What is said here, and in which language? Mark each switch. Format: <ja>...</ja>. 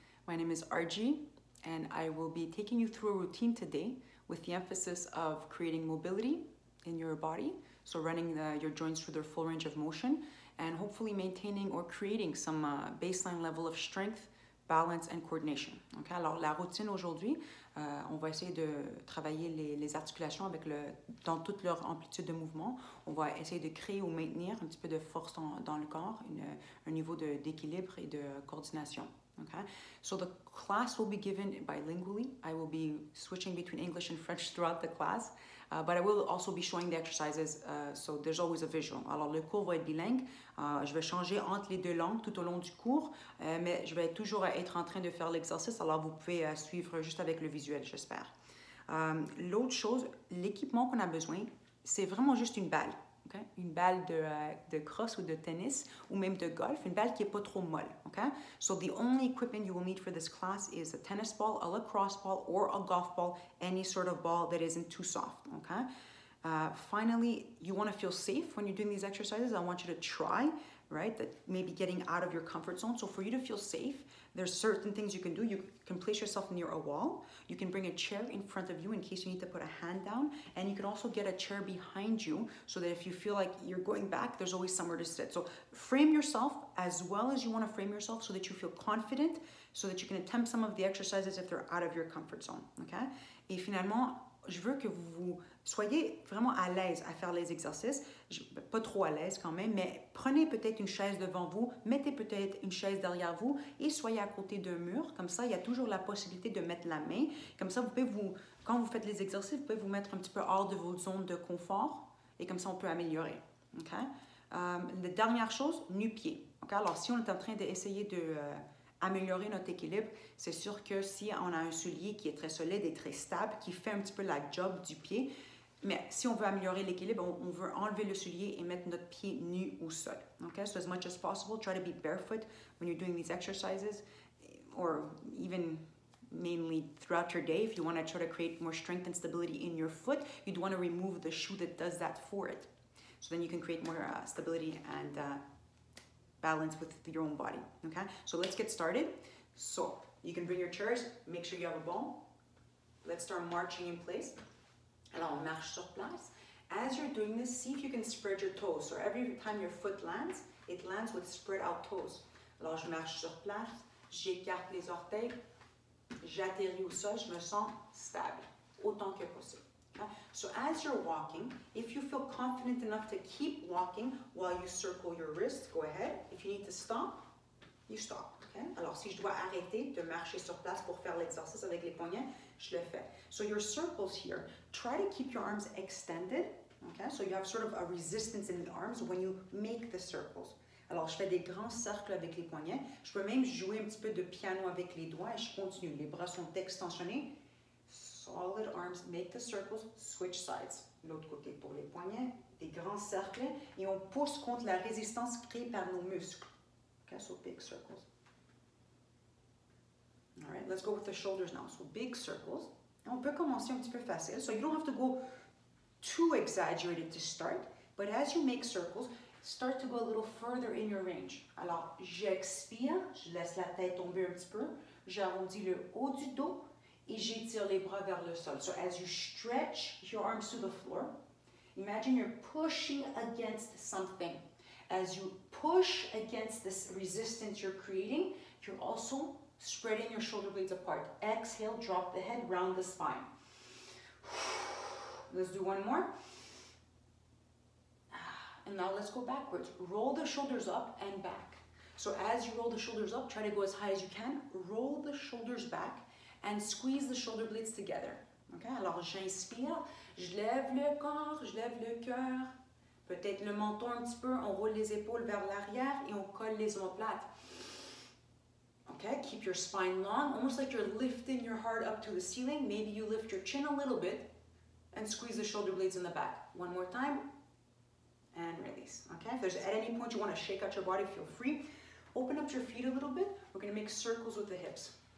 <en>My name is Argi, and I will be taking you through a routine today with the emphasis of creating mobility in your body, so running your joints through their full range of motion, and hopefully maintaining or creating some baseline level of strength, balance, and coordination.</en> <fr>Okay, alors la routine aujourd'hui, on va essayer de travailler les articulations avec dans toute leur amplitude de mouvement. On va essayer de créer ou maintenir un petit peu de force dans le corps, un niveau d'équilibre et de coordination.</fr> <en>Okay, so the class will be given bilingually. I will be switching between English and French throughout the class, but I will also be showing the exercises, so there's always a visual.</en> <fr>Alors le cours va être bilingue. Je vais changer entre les deux langues tout au long du cours, mais je vais toujours être en train de faire l'exercice, alors vous pouvez suivre juste avec le visuel, j'espère. L'autre chose, l'équipement qu'on a besoin, c'est vraiment juste une balle. Okay? Une balle de cross ou de tennis, ou même de golf, une balle qui n'est pas trop molle.</fr> <en>Okay? So the only equipment you will need for this class is a tennis ball, a lacrosse ball, or a golf ball, any sort of ball that isn't too soft. Okay? Finally, you want to feel safe when you're doing these exercises. I want you to try, right, that maybe getting out of your comfort zone. So for you to feel safe, there's certain things you can do. You can place yourself near a wall. You can bring a chair in front of you in case you need to put a hand down. And you can also get a chair behind you so that if you feel like you're going back, there's always somewhere to sit. So frame yourself as well as you want to frame yourself so that you feel confident, so that you can attempt some of the exercises if they're out of your comfort zone, okay?</en> <fr>Et finalement, je veux que vous soyez vraiment à l'aise à faire les exercices. Pas trop à l'aise quand même, mais prenez peut-être une chaise devant vous, mettez peut-être une chaise derrière vous et soyez à côté d'un mur. Comme ça, il y a toujours la possibilité de mettre la main. Comme ça, vous pouvez quand vous faites les exercices, vous pouvez vous mettre un petit peu hors de votre zone de confort et comme ça, on peut améliorer. Okay? La dernière chose, nu-pied. Okay? Alors, si on est en train d'essayer de améliorer notre équilibre, c'est sûr que si on a un soulier qui est très solide et très stable, qui fait un petit peu la job du pied, mais si on veut améliorer l'équilibre, on veut enlever le soulier et mettre notre pied nu au sol.</fr> <en>Okay? So as much as possible, try to be barefoot when you're doing these exercises, or even mainly throughout your day. If you want to try to create more strength and stability in your foot, you'd want to remove the shoe that does that for it. So then you can create more stability and balance with your own body, okay? So let's get started. So you can bring your chairs, make sure you have a ball. Let's start marching in place.</en> <fr>Alors, on marche sur place.</fr> <en>As you're doing this, see if you can spread your toes. So every time your foot lands, it lands with spread out toes.</en> <fr>Alors, je marche sur place, j'écarte les orteils, j'atterris au sol, je me sens stable, autant que possible.</fr> <en>Okay? So as you're walking, if you feel confident enough to keep walking while you circle your wrists, go ahead. If you need to stop, you stop. Okay?</en> <fr>Alors, si je dois arrêter de marcher sur place pour faire l'exercice avec les poignets, je le fais.</fr> <en>So your circles here, try to keep your arms extended. Okay? So you have sort of a resistance in the arms when you make the circles.</en> <fr>Alors, je fais des grands cercles avec les poignets. Je peux même jouer un petit peu de piano avec les doigts et je continue. Les bras sont extensionnés.</fr> <en>Solid arms, make the circles, switch sides.</en> <fr>L'autre côté pour les poignets, des grands cercles, et on pousse contre la résistance créée par nos muscles.</fr> <en>Okay, so big circles. All right, let's go with the shoulders now. So big circles.</en> <fr>On peut commencer un petit peu facile.</fr> <en>So you don't have to go too exaggerated to start, but as you make circles, start to go a little further in your range.</en> <fr>Alors, j'expire, je laisse la tête tomber un petit peu, j'arrondis le haut du dos, et j'étire les bras vers le sol.</fr> <en>So as you stretch your arms to the floor, imagine you're pushing against something. As you push against this resistance you're creating, you're also spreading your shoulder blades apart. Exhale, drop the head, round the spine. Let's do one more. And now let's go backwards. Roll the shoulders up and back. So as you roll the shoulders up, try to go as high as you can. Roll the shoulders back and squeeze the shoulder blades together.</en> <fr>Okay, alors j'inspire, je lève le corps, je lève le cœur, peut-être le menton un petit peu, on roule les épaules vers l'arrière et on colle les omoplates.</fr> <en>Okay, keep your spine long, almost like you're lifting your heart up to the ceiling, maybe you lift your chin a little bit and squeeze the shoulder blades in the back. One more time, and release. Okay, if there's at any point you want to shake out your body, feel free. Open up your feet a little bit, we're going to make circles with the hips.</en>